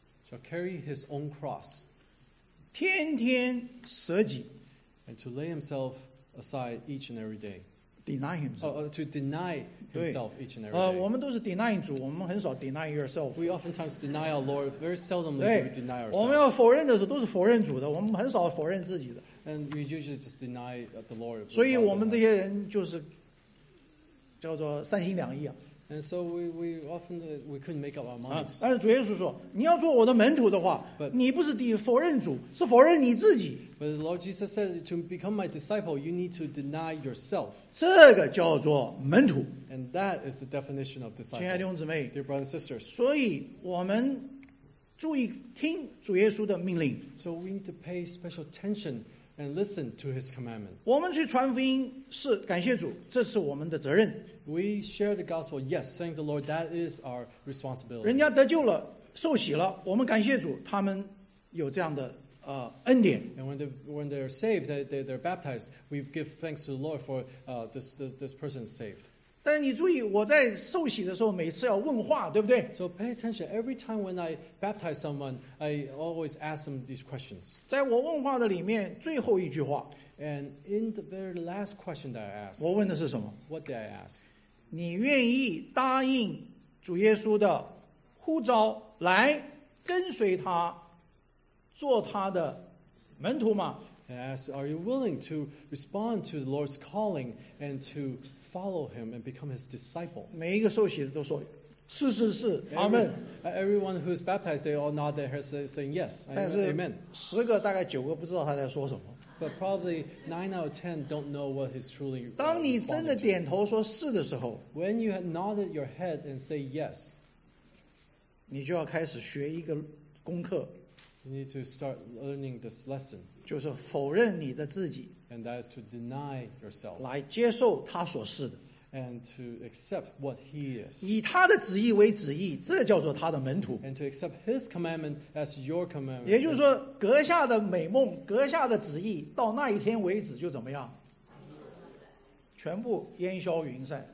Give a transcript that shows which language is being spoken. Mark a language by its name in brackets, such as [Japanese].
[English] To carry his own cross. [Chinese] 天天舍己 [English] And to lay himself aside each and every day. Deny himself. To deny himself each and every day. [Chinese] 我们都是 [English] denying [Chinese] 主我们很少 [English] deny yourself. We oftentimes deny our Lord. Very seldomly do we deny ourselves. [Chinese] 我们要否认的时候都是否认主的我们很少否认自己的 [English] And we usually just deny the Lord. [Chinese] 所以我们这些人就是叫做三心两意啊。 [English] And so we couldn't make up our minds. [Chinese] 但是主耶稣说，你要做我的门徒的话， [English] but, [Chinese] 你不是得否认主，是否认你自己。 [English] But the Lord Jesus said, to become my disciple, you need to deny yourself. [Chinese] 这个叫做门徒。 [English] And that is the definition of disciple. [Chinese] 亲爱的弟兄姊妹 [English] ，Dear brothers and sisters. [Chinese] 所以我们注意听主耶稣的命令。 [English] So we need to pay special attention and listen to His commandment. [Chinese] 我们去传福音是感谢主，这是我们的责任。 [English] We share the gospel, yes, thank the Lord, that is our responsibility. [Chinese] 人家得救了，受洗了，我们感谢主，他们有这样的恩典。 [English] And when they're saved, they're baptized, we give thanks to the Lord for this person is saved. [Chinese] 但你注意，我在受洗的时候，每次要问话，对不对 [English] ？So pay attention, every time when I baptize someone, I always ask them these questions. [Chinese] 在我问话的里面，最后一句话。 [English] And in the very last question that I asked, [Chinese] 我问的是什么 [English] ？What did I ask? [Chinese] 你愿意答应主耶稣的呼召，来跟随他，做他的门徒吗 [English] ？I asked, Are you willing to respond to the Lord's calling and to follow him and become his disciple? [Chinese] 每一个受洗的都说是是是，阿门。 [English] Everyone who is baptized, they all nod their heads saying yes, amen. [Chinese] 十个大概九个不知道他在说什么。 [English] But probably 9 out of 10 don't know what he's truly. [Chinese] 当你真的点头说是的时候 [English] ，when you nodded your head and say yes， [Chinese] 你就要开始学一个功课。 [English] You need to start learning this lesson， [Chinese] 就是否认你的自己 [English] ，and that is to deny yourself， [Chinese] 来接受他所是的 [English] ，and to accept what he is， [Chinese] 以他的旨意为旨意，这叫做他的门徒 [English] ，and to accept his commandment as your commandment， [Chinese] 也就是说，阁下的美梦，阁下的旨意，到那一天为止就怎么样，全部烟消云散